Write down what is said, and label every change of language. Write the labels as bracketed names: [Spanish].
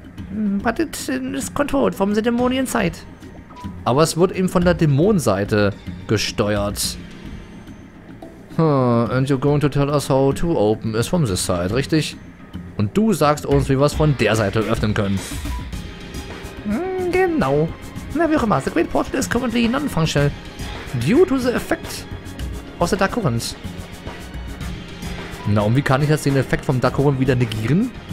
[English] But it is controlled from the Dämonian side. [German] Aber es wird eben von der Dämonenseite gesteuert. [English] And you're going to tell us how to open is from this side, [German] richtig? Und du sagst uns, wie wir es von der Seite öffnen können. Genau. Na, wie auch immer, [English] the Great Portal is currently non-functional due to the effect of the Dark Current. [German] Na, und wie kann ich jetzt den Effekt vom Dark Current wieder negieren?